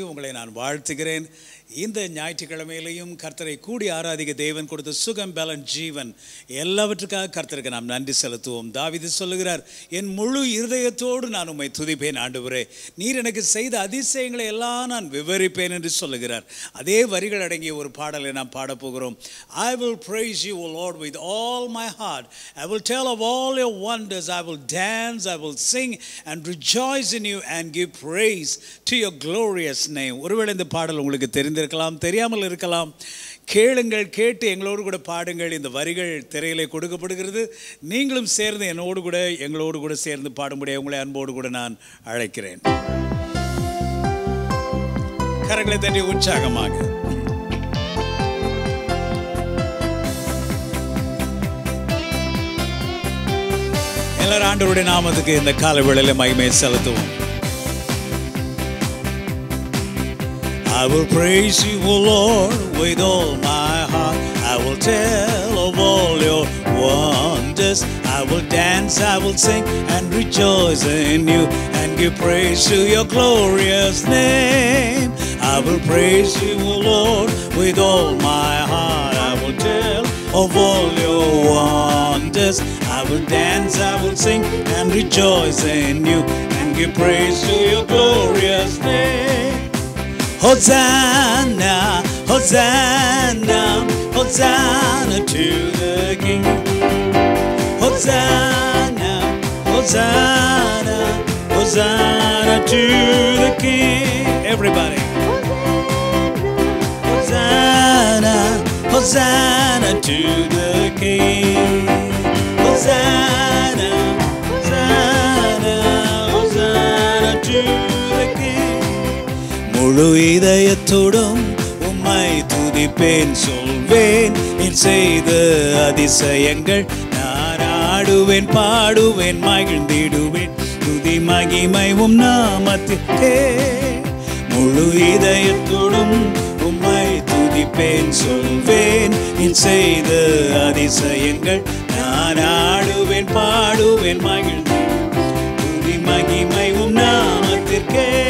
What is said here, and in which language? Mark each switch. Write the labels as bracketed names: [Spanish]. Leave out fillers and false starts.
[Tamil] உங்களை நான் வாழ்த்துகிறேன். இந்த ஞாயிற்றுக்கிழமையிலையும் கர்த்தரை கூடி ஆராதிக்க தேவன் கொடுத்த சுகம், பலன், ஜீவன் எல்லாவற்றுக்காக கர்த்தருக்கு நாம் நன்றி செலுத்துவோம். தாவீது சொல்லுகிறார், என் முழு இருதயத்தோடு நான் உம்மை துதிப்பேன் ஆண்டவரே, நீர் எனக்கு செய்த அதிசயங்களை எல்லாம் நான் விவரிப்பேன் என்று சொல்லுகிறார். அதே வரிகள் அடங்கிய ஒரு பாடலை நாம் பாடப்போகிறோம். [English] I will praise you O Lord with all my heart, I will tell of all your wonders, I will dance, I will sing and rejoice in you and give praise to your glorious name. ஒருவேளை இந்த பாடல் உங்களுக்கு தெரிந்திருக்கலாம், தெரியாமல் இருக்கலாம். கேளுங்கள், கேட்டு எங்களோடு கூட பாடுங்கள். இந்த வரிகள் திரையிலே கொடுக்கப்படுகிறது. நீங்களும் சேர்ந்து என்னோடு கூட எங்களோடு கூட சேர்ந்து பாடும்படி உங்களை அன்போடு கூட நான் அழைக்கிறேன். கரங்களை தட்டி உற்சாகமாக ஆண்டவருடைய நாமத்துக்கு இந்த கால வேளையில மகிமை செலுத்துவோம். I will praise you, O Lord, with all my heart. I will tell of all your wonders. I will dance, I will sing and rejoice in you and give praise to your glorious name. I will praise you, O Lord, with all my heart. I will tell of all your wonders. I will dance, I will sing and rejoice in you and give praise to your glorious name. Hosanna, Hosanna, Hosanna to the King. Hosanna, Hosanna, Hosanna to the King. Everybody. Hosanna, Hosanna to the King. Hosanna, Hosanna, Hosanna to the King. [Tamil] முழு இதயத்தோடும் உம்மை துதிப்பேன் சொல்வேன், நீர் செய்த அதிசயங்கள் நான் ஆடுவேன் பாடுவேன் மகிழ்ந்திடுவேன், துதி மகிமை உம் நாமத்திற்கே. முழு இதயத்தோடும் உம்மை துதிப்பேன் சொல்வேன், நீர் செய்த அதிசயங்கள் நான் ஆடுவேன் பாடுவேன் மகிழ்ந்தேன், துதி மகிமை உம் நாமத்திற்கே.